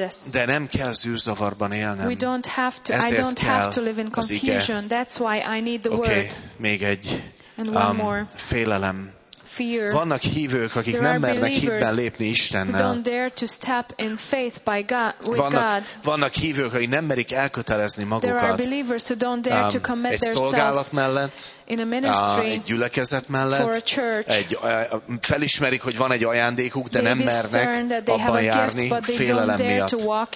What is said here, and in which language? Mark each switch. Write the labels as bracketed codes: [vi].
[hu] De nem kell zűrzavarban élnem. Ezért kell az ige. Oké, okay, még egy félelem. [en] Fear. [hu] Vannak hívők, akik nem mernek hitben lépni Istennel. [en] Don't dare to step in faith by God, with God. [hu] Vannak hívők, akik nem merik elkötelezni magukat. Egy szolgálat mellett, egy gyülekezet mellett, felismerik, hogy van egy ajándékuk, de nem mernek abban járni félelem miatt.